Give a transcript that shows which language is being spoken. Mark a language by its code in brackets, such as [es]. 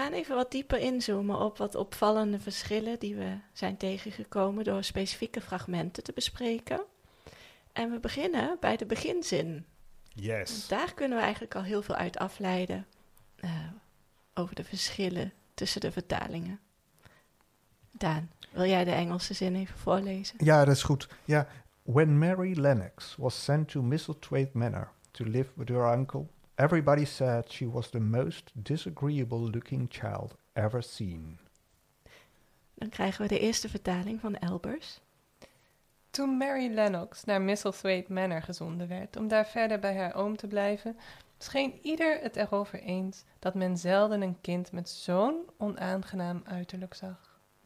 [nl] gaan even wat dieper inzoomen op wat opvallende verschillen die we zijn tegengekomen door specifieke fragmenten te bespreken. En we beginnen bij de beginzin. [en] Yes. [nl] Want daar kunnen we eigenlijk al heel veel uit afleiden over de verschillen tussen de vertalingen. Daan, wil jij de Engelse zin even voorlezen? Ja, dat is goed. Ja. [en] When Mary Lennox was sent to Misselthwaite Manor to live with her uncle, everybody said she was the most disagreeable looking child ever seen. [nl] Dan krijgen we de eerste vertaling van Elbers. Toen Mary Lennox naar Misselthwaite Manor gezonden werd om daar verder bij haar oom te blijven, scheen ieder het erover eens dat men zelden een kind met zo'n onaangenaam uiterlijk zag.